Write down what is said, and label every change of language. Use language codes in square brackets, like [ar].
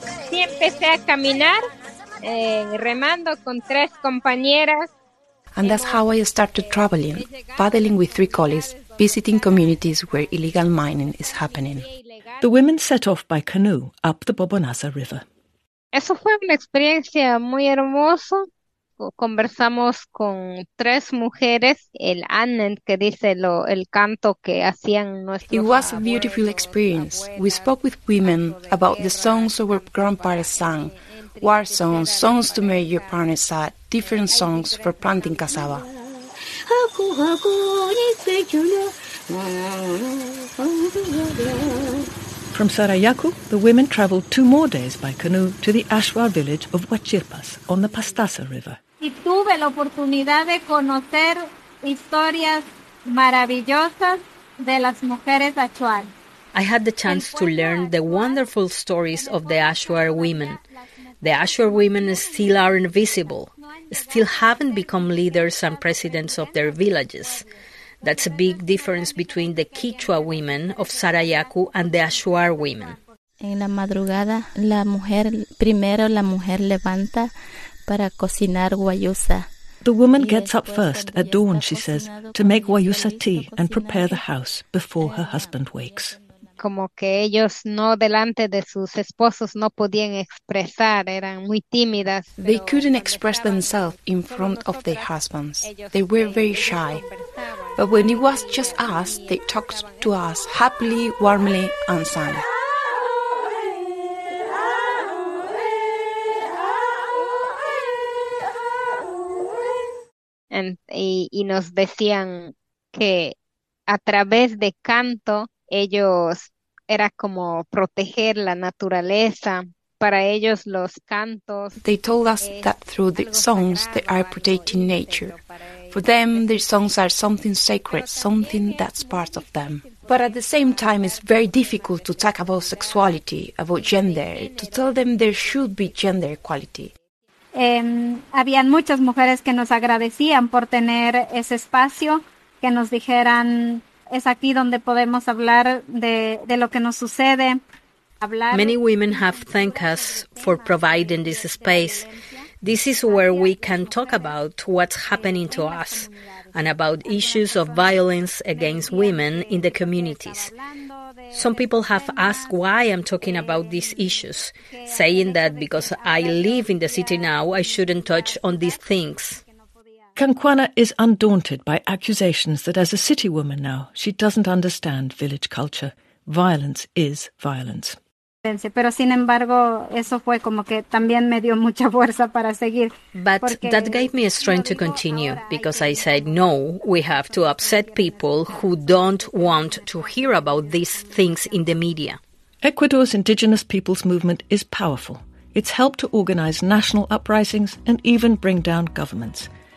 [es] Sí, empecé a caminar, remando con tres compañeras. [en] And that's how I started traveling, paddling with three colleagues, visiting communities where illegal mining is happening. The women set off by canoe up the Bobonasa River. [es] Eso fue una experiencia muy hermosa. Conversamos con tres mujeres, el anen, que dice lo, el canto que hacían nuestros [en] abuelos. It was a beautiful experience. We spoke with women about the songs our grandparents sang, war songs, songs to marry your partners at, different songs for planting cassava. From Sarayaku, the women traveled two more days by canoe to the Ashwa village of Huachirpas on the Pastaza River. [es] Y tuve la oportunidad de conocer historias maravillosas de las mujeres Ashuar. [en] I had the chance to learn the wonderful stories of the Ashuar women. The Ashuar women still are invisible, still haven't become leaders and presidents of their villages. That's a big difference between the Quichua women of Sarayaku and the Ashuar women. [es] En la madrugada, la mujer, primero la mujer levanta para cocinar guayusa. [en] The woman gets up first at dawn, she says, to make guayusa tea and prepare the house before her husband wakes. [es] Como que ellos no delante de sus esposos no podían expresar, eran muy tímidas. [en] They couldn't express themselves in front of their husbands. They were very shy. But when it was just us, they talked to us happily, warmly, and sang. [es] Y nos decían que a través de canto ellos era como proteger la naturaleza. Para ellos los cantos. [en] They told us that through the songs they are protecting nature. For them, their songs are something sacred, something that's part of them. But at the same time, it's very difficult to talk about sexuality, about gender, to tell them there should be gender equality. [es] Habían muchas mujeres que nos agradecían por tener ese espacio, que nos dijeran, es aquí donde podemos hablar de lo que nos sucede. [en] Many women have thanked us for providing this space. This is where we can talk about what's happening to us and about issues of violence against women in the communities. Some people have asked why I'm talking about these issues, saying that because I live in the city now, I shouldn't touch on these things. Kankwana is undaunted by accusations that as a city woman now, she doesn't understand village culture. Violence is violence. [es] Pero sin embargo, eso fue como que también me dio mucha fuerza para seguir. [en] But that gave me a strength to continue, because I said, no, we have to upset people who don't want to hear about these things in the media. Ecuador's indigenous people's movement is powerful. It's helped to organize national uprisings and even bring down governments.